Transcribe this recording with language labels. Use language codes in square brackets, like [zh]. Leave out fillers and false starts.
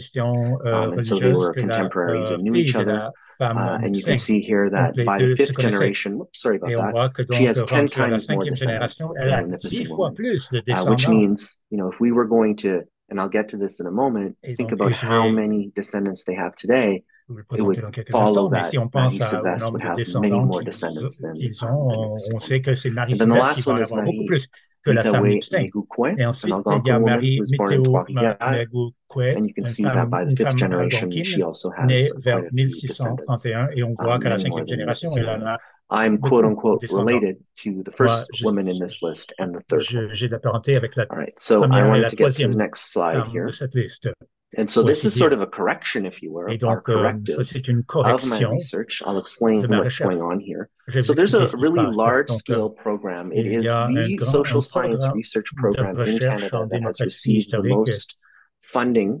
[en] And so they were contemporaries and knew each other. And you can see here that by the fifth generation, she has 10 times more descendants than Nipissing woman, which means, if we were going to, and I'll get to this in a moment, think about how many descendants they have today, it would follow that. [fr] Si on pense à au nombre de descendants qu'ils ont, on sait que c'est Marie Sylvestre qui va en avoir beaucoup plus que la femme Epstein. Et ensuite, il y a Marie Météo-Mégoukouin, une femme algonquine, née vers 1631, et on voit qu'à la cinquième génération, elle en a. [en] I'm quote unquote related to the first woman in this list and the third. [fr] J'ai de la parenté avec la première et la troisième femme de cette liste. [en] And so this is sort of a correction, if you were, [fr] donc, [en] or corrective of my research. I'll explain what's going on here. [fr] Je [en] so there's a really large-scale program. It is the social science research program in Canada that has received the most funding